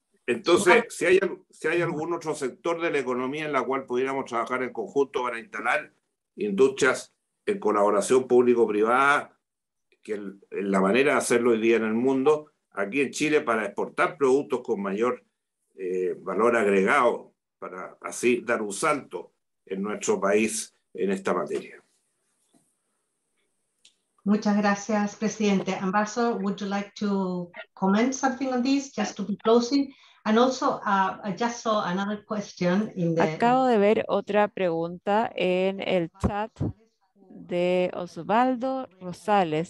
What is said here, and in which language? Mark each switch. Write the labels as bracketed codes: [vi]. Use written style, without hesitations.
[es] Entonces, si hay algún otro sector de la economía en la cual pudiéramos trabajar en conjunto para instalar industrias en colaboración público-privada, que es la manera de hacerlo hoy día en el mundo, aquí en Chile, para exportar productos con mayor valor agregado, para así dar un salto en nuestro país en esta materia. Muchas gracias, presidente. [en] Ambassador, would you like to comment something on this, just to be closing? And also, I just saw another question in the... [es] Acabo de ver otra pregunta en el chat de Osvaldo Rosales.